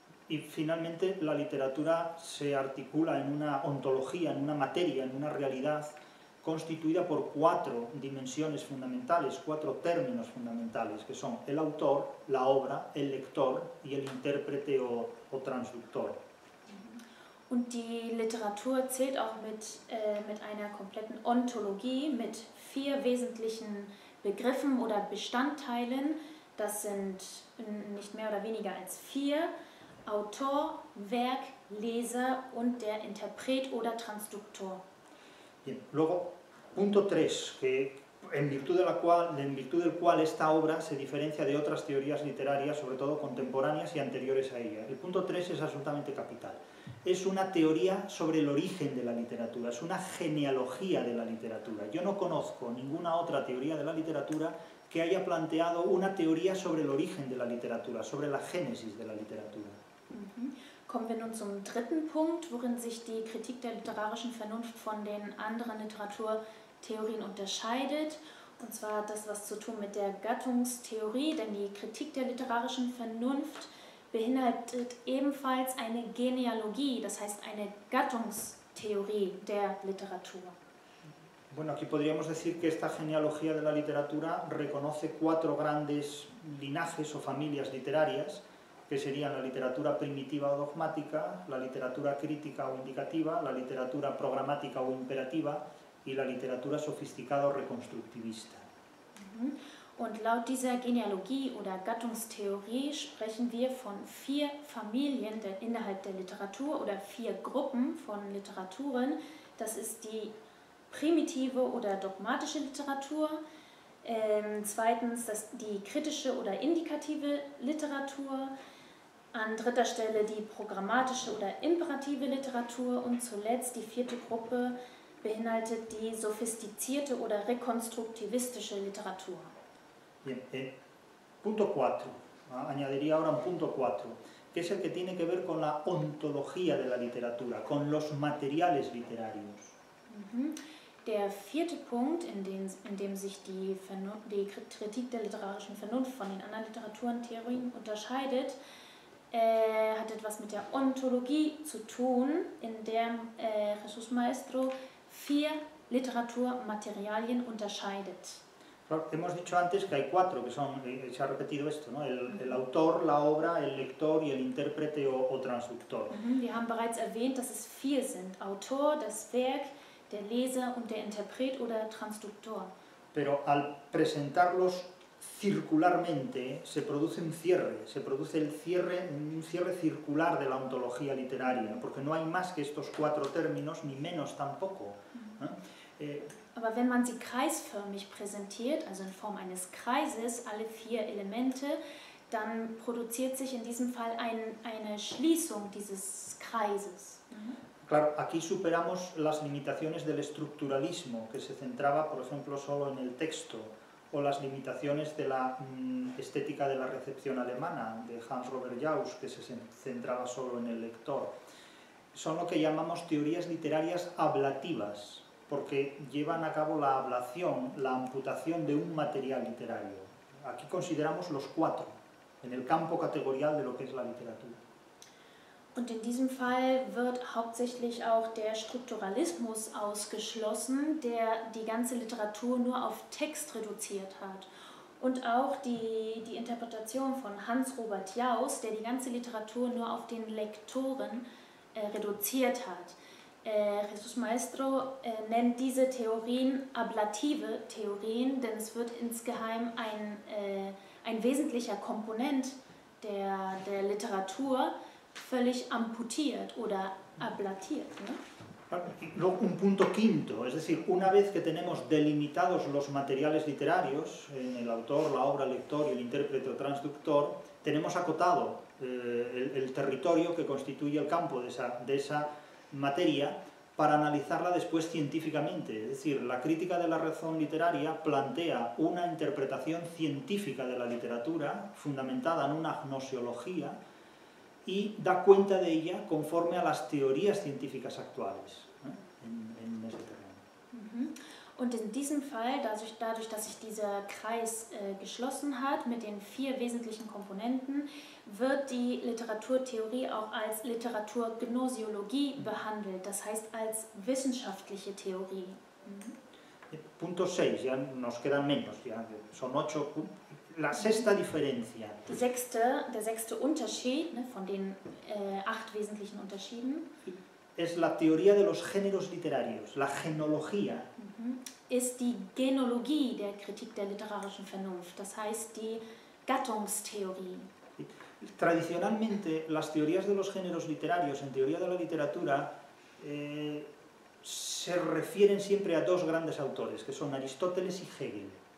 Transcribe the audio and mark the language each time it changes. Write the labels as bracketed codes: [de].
[es] Y finalmente la literatura se articula en una ontología, en una materia, en una realidad constituida por cuatro dimensiones fundamentales, cuatro términos fundamentales, que son el autor, la obra, el lector y el intérprete o transductor. [de] Und die Literatur zählt auch mit einer kompletten Ontologie, mit vier wesentlichen Begriffen oder Bestandteilen. Das sind nicht mehr oder weniger als vier: Autor, Werk, Leser und der Interpret oder Transduktor. [es] Bien. Luego, punto 3, en virtud del cual esta obra se diferencia de otras teorías literarias, sobre todo contemporáneas y anteriores a ella. El punto 3 es absolutamente capital. Es una teoría sobre el origen de la literatura, es una genealogía de la literatura. Yo no conozco ninguna otra teoría de la literatura que haya planteado una teoría sobre el origen de la literatura, sobre la génesis de la literatura. [de] Kommen wir nun zum dritten Punkt, worin sich die Kritik der literarischen Vernunft von den anderen Literaturtheorien unterscheidet. Und zwar hat das was zu tun mit der Gattungstheorie, denn die Kritik der literarischen Vernunft beinhaltet ebenfalls eine Genealogie, das heißt eine Gattungstheorie der Literatur. [es] Bueno, aquí podríamos decir que esta genealogía de la literatura reconoce cuatro grandes linajes o familias literarias, que serían la literatura primitiva o dogmática, la literatura crítica o indicativa, la literatura programática o imperativa y la literatura sofisticada o reconstructivista. [de] Und laut dieser Genealogie oder Gattungstheorie sprechen wir von vier Familien innerhalb der Literatur oder vier Gruppen von Literaturen. Das ist die primitive oder dogmatische Literatur, zweitens das die kritische oder indikative Literatur, an dritter Stelle die programmatische oder imperative Literatur und zuletzt die vierte Gruppe beinhaltet die sophistizierte oder rekonstruktivistische Literatur. [es] Bien, punto 4. Añadiría ahora un punto 4, que es el que tiene que ver con la ontología de la literatura, con los materiales literarios. [de] Der vierte Punkt, in dem sich die Kritik der literarischen Vernunft von den anderen Literaturtheorien unterscheidet, hat etwas mit der Ontologie zu tun, in der Jesús Maestro vier Literaturmaterialien unterscheidet. [es] Hemos dicho antes que hay cuatro, que son, se ha repetido esto, ¿no? El autor, la obra, el lector y el intérprete o transductor. [de] Wir haben bereits erwähnt, dass es vier sind. Autor, das Werk, der Leser und der Interpret oder Transduktor. [es] Pero al presentarlos circularmente, se produce un cierre, circular de la ontología literaria, porque no hay más que estos cuatro términos, ni menos tampoco. [de] Aber wenn man sie kreisförmig präsentiert, also in Form eines Kreises, alle vier Elemente, dann produziert sich in diesem Fall eine Schließung dieses Kreises. [es] Claro, aquí superamos las limitaciones del estructuralismo, que se centraba, por ejemplo, solo en el texto, o las limitaciones de la estética de la recepción alemana, de Hans-Robert Jauss, que se centraba solo en el lector. Son lo que llamamos teorías literarias ablativas, porque llevan a cabo la ablación, la amputación de un material literario. Aquí consideramos los cuatro, en el campo categorial de lo que es la literatura. [de] Und in diesem Fall wird hauptsächlich auch der Strukturalismus ausgeschlossen, der die ganze Literatur nur auf Text reduziert hat. Und auch die Interpretation von Hans-Robert Jauss, der die ganze Literatur nur auf den Lektoren reduziert hat. Jesús Maestro nennt diese Theorien ablative Theorien, denn es wird insgeheim ein wesentlicher Komponent der Literatur völlig amputiert oder ablatiert, [es] ¿no? Un punto quinto, es decir, una vez que tenemos delimitados los materiales literarios, el autor, la obra, el lector y el intérprete o transductor, tenemos acotado el territorio que constituye el campo de esa materia para analizarla después científicamente. Es decir, la crítica de la razón literaria plantea una interpretación científica de la literatura fundamentada en una gnoseología y da cuenta de ella conforme a las teorías científicas actuales, en ese terreno. [de] Und in diesem Fall, dadurch, dass sich dieser Kreis geschlossen hat mit den vier wesentlichen Komponenten, wird die Literaturtheorie auch als Literaturgnosiologie behandelt, das heißt als wissenschaftliche Theorie. [es] Punto 6, ya nos quedan menos, ya son 8 puntos. La sexta diferencia. [de] Der sechste Unterschied, ne, von den acht wesentlichen Unterschieden. [es] Es la teoría de los géneros literarios, la genología. [de] Ist die Genologie der Kritik der literarischen Vernunft, das heißt die Gattungstheorie. [es] Tradicionalmente, las teorías de los géneros literarios en teoría de la literatura se refieren siempre a dos grandes autores, que son Aristóteles y Hegel.